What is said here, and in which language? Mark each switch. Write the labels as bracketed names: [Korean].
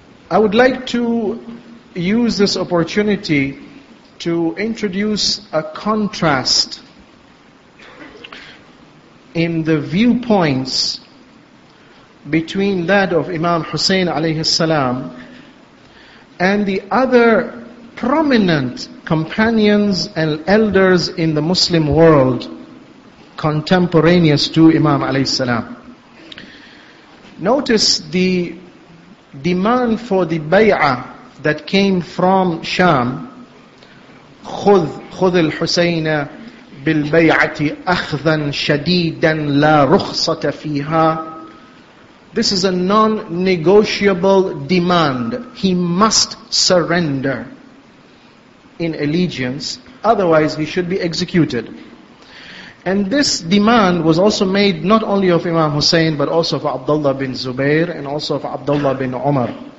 [English] I would like to use this opportunity to introduce a contrast in the viewpoints between that of Imam Hussein alayhi salam and the other prominent companions and elders in the Muslim world contemporaneous to Imam alayhi salam. Notice the demand for the bay'ah that came from Sham. [Arabic] خذ الحسين بالبيعة أخذا شديدا لا رخصة فيها. [English] This is a non-negotiable demand. He must surrender in allegiance, otherwise he should be executed. And this demand was also made not only of Imam Hussein, but also of Abdullah bin Zubair and also of Abdullah bin Umar.